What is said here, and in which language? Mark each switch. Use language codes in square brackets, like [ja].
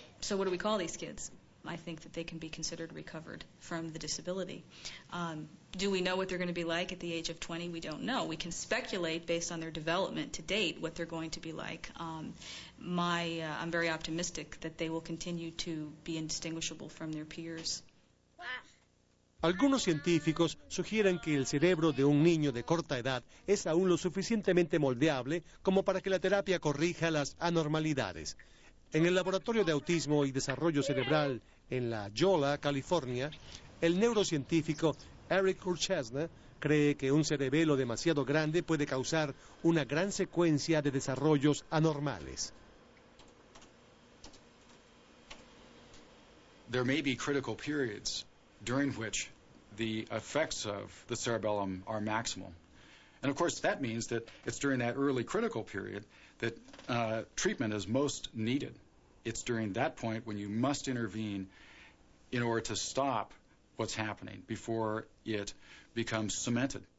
[en] So what do we call these kids? I think that they can be considered recovered from the disability. Do we know what they're going to be like at the age of 20? We don't know. We can speculate based on their development to date what they're going to be like. I'm very optimistic that they will continue to be indistinguishable from their peers. [es] Algunos científicos sugieren que el cerebro de un niño de corta edad es aún lo suficientemente moldeable como para que la terapia corrija las anormalidades. En el Laboratorio de Autismo y Desarrollo Cerebral en La Jolla, California, el neurocientífico Eric Urchesna cree que un cerebelo demasiado grande puede causar una gran secuencia de desarrollos anormales. [en] there may be critical periods during which the effects of the cerebellum are maximal. And of course, that means that it's during that early critical period that treatment is most needed. It's during that point when you must intervene in order to stop what's happening before it becomes cemented.